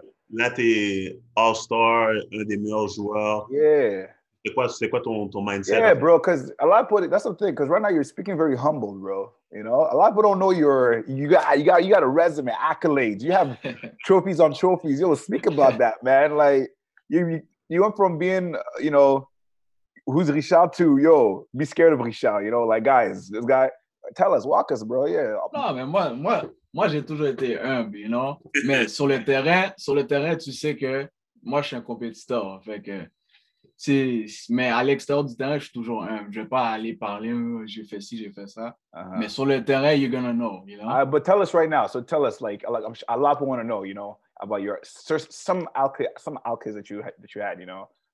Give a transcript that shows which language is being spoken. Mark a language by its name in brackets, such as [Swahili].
[French] Là, tu es All-Star, un des meilleurs joueurs. [English] Yeah. [French] C'est quoi ton mindset? [English] Yeah, bro, because a lot of people, that's the thing, because right now you're speaking very humble, bro. You know, a lot of people don't know you got a resume, accolades. You have trophies on trophies. You'll speak about that, man. Like, you went from being, you know, who's Richard to, yo, be scared of Richard, you know? Like, guys, this guy, tell us, walk us, bro. Yeah. No, man, [French] moi, j'ai toujours été humble, [English] you know? [French] Mais sur le terrain, tu sais que moi, je suis un compétiteur. Fait que, mais à l'extérieur du terrain, je suis toujours humble. Je ne vais pas aller parler, j'ai fait ci, j'ai fait ça. Uh-huh. Mais sur le terrain, [English] you're going to know, you know? But tell us right now. So tell us, like a lot of people want to know, you know, about your, some alkies that you had, you know?